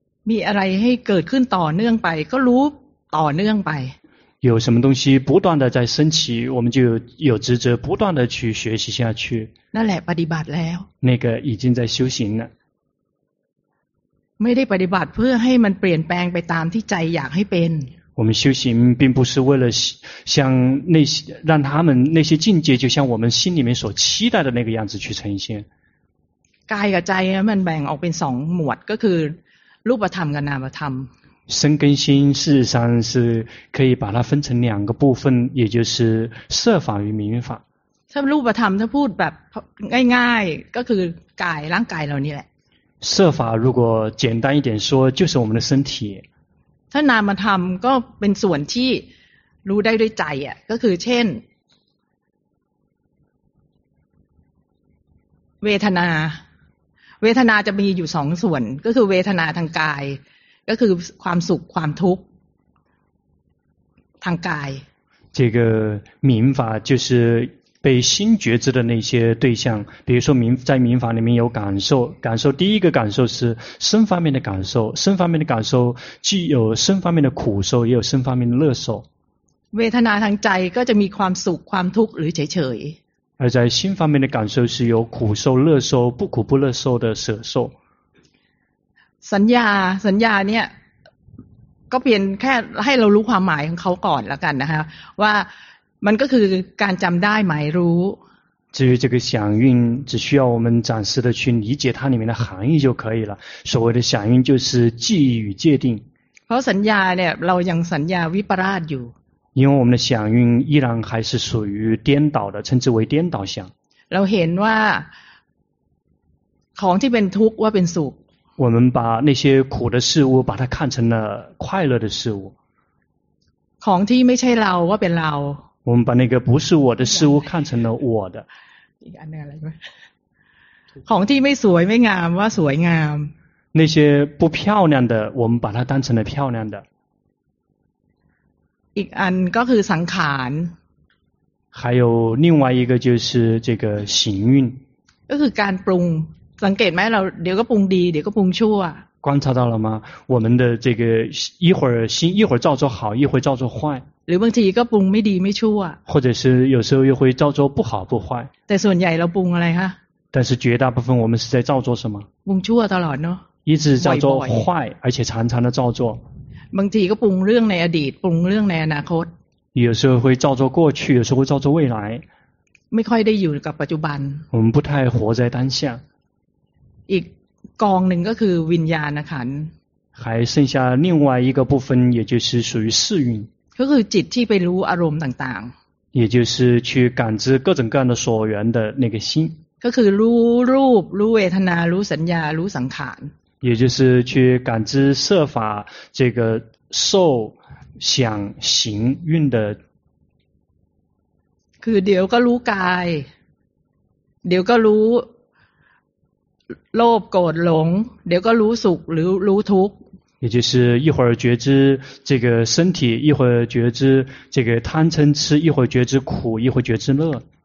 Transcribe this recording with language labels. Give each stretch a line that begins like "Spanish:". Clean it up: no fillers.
Thai: มีอะไรให้เกิดขึ้นต่อเนื่องไปก็รู้ต่อเนื่องไป
Chinese: 有什么东西不断的在升起，我们就有职责不断的去学习下去。
Thai: 那แหละปฏิบัติแล้ว。
Chinese: 那个已经在修行了。
Thai: ไม่ได้ปฏิบัติเพื่อให้มันเปลี่ยนแปลงไปตามที่ใจอยากให้เป็น。
Chinese: 我们修行并不是为了像那些让他们那些境界就像我们心里面所期待的那个样子去呈现。
Thai: กายกับใจมันแบ่งออกเป็นสองหมวดก็คือรูปธรรมกับนามธรรม。
Chinese: 身跟心事实上是可以把它分成两个部分，也就是色法与名法。
Thai: ถ้ารูปธรรมถ้าพูดแบบง่ายๆก็คือกายร่างกายเรานี่แหละ。
Chinese: 色法如果简单一点说，就是我们的身体。
Thai: ถ้านามธรรมก็เป็นส่วนที่รู้ได้ด้วยใจอ่ะก็คือเช่นเวทนาเวทนาจะมีอยู่สองส่วนก็คือเวทนาทางกายก็คือความสุขความทุกข์ทางกาย
Chinese: 这个明法就是被心觉知的那些对象比如说明在明法里面有感受感受第一个感受是身方面的感受身方面的感受既有身方面的苦受也有身方面的乐受
Thai: เวทนาทางใจก็จะมีความสุขความทุกข์หรือเฉย
Chinese: ๆ而在心方面的感受是有苦受乐受不苦不乐受的舍受
Thai: สัญญาเนี่ยก็เปลี่ยนแค่ให้เรารู้ความหมายของเขาก่อนแล้วกันนะคะว่ามันก็คือการจำได้หมายรู้
Chinese: 至于这个想蕴只需要我们暂时的去理解它里面的含义就可以了所谓的想蕴就是记忆与界定
Thai: เพราะสัญญาเนี่ยเรายังสัญญาวิปลาสอยู่
Chinese: 因为我们的想蕴依然还是属于颠倒的称之为颠倒想
Thai: เราเห็นว่าของที่เป็นทุกข์ว่าเป็นสุข
Chinese: 我们把那些苦的事物把它看成了快乐的事物
Thai: ของที่ไม่ใช่เราว่าเป็นเรา
Chinese: 我们把那个不是我的事物看成了我的
Thai: ของที่ไม่สวยไม่งามว่าสวยงาม
Chinese: 那些不漂亮的我们把它当成了漂亮的
Thai: อีกอันก็คือสังขาร
Chinese: 还有另外一个就是这个行运
Thai: ก็คือการปรุงสังเกตไหมเราเดี๋ยวก็ปรุงดีเดี๋ยวก็ปรุงชั่ว
Chinese: 观察到了吗我们的这个一会儿心一会儿造作好一会儿造作坏
Thai: หรือบางทีก็ปรุงไม่ดีไม่ชั่ว
Chinese: 或者是有时候又会造作不好不坏
Thai: แต่ส่วนใหญ่เราปรุงอะไรคะ
Chinese: 但是绝大部分我们是在造作什么
Thai: ปรุงชั่วตลอดเนาะ
Chinese: 一直造作坏而且常常的造作
Thai: บางทีก็ปรุงเรื่องในอดีตปรุงเรื่องในอนาคต
Chinese: 有时候会造作过去有时候会造作未来
Thai: ไม่ค่อยได้อยู่กับปัจจุบัน
Chinese: 我们不太活在当下
Thai: อีกกองหนึ่งก็คือวิญญาณขันธ์
Chinese: 还剩下另外一个部分也就是属于四蕴就是
Thai: จิตที่ไปรู้อารมณ์ต่าง
Chinese: ๆ也就是去感知各种各样的所缘的那个心
Thai: ก็คือรู้รูปรู้เวทนารู้สัญญารู้สังขาร
Chinese: 也就是去感知色法这个受想行运的
Thai: คือเดี๋ยวก็รู้กายเดี๋ยวก็รู้โลภโกรธหลงเดี๋ยวก็รู้สุขหรือรู้ทุกข์
Chinese: 也就是一会儿觉知这个身体一会儿觉知这个贪嗔痴一会儿觉知苦一会儿觉知乐